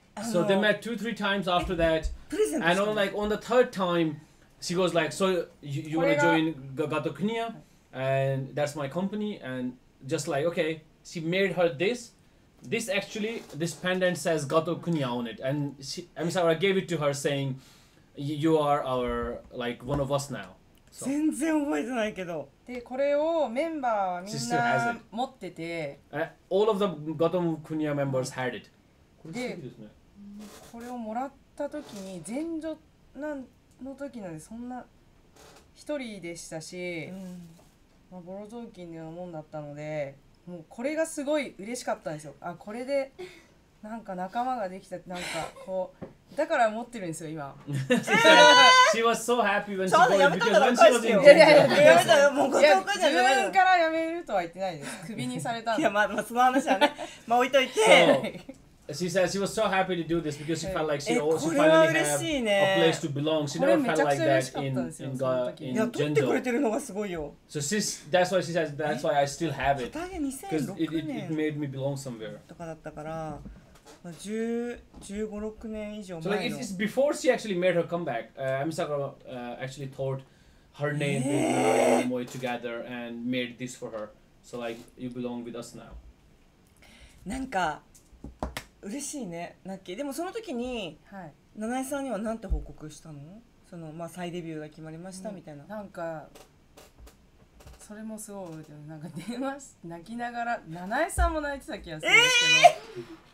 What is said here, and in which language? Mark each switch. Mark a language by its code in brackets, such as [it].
[en] So they met 2-3 times after that. And on like on the third time, she goes like, so you want to join Gadokunya, and that's my company, and just like, okay, she made her this pendant says Gadokunya on it, and Ami Sawara gave it to her saying, you are our, like, one of us now. [ja] 全然覚えてないけど。で、これをメンバーはみんな持ってて。 [en] All of the Gotomu Kuniya members had it. [ja] で、これをもらった時に、前女の時なんで、そんな一人でしたし、うん、まあ、ボロ雑巾のようなもんだったので、もうこれがすごい嬉しかったんですよ。あ、これで、なんか仲間ができた、なんかこう、だから持ってるんですよ、今。 [en] She was so happy when she got it, because when she was in the room. [ja] やめたら、もうご紹介じゃないの。自分からやめるとは言ってないです。クビにされたの。いや、まあ、その話はね、まあ置いといて。 [en] So, she said she was so happy to do this because she felt like she also finally had a place to belong. She never felt like that in [ja] これめちゃくちゃ嬉しかったんですよ、その時。いや、取ってくれてるのがすごいよ。 [en] So that's why she said, that's why I still have it. [ja] 2006年。 [en] It made me belong somewhere. [ja] とかだったから。 [en] So like it's before she actually made her comeback. Misaka actually thought her name with Moi together and made this for her. So like you belong with us now. [ja] なんか嬉しいね、ナッキー。でもその時に、はい、七重さんには何て報告したの？そのまあ再デビューが決まりました、うん、みたいな。なんかそれもすごい、なんか電話し泣きながら、七重さんも泣いてた気がするんですけど。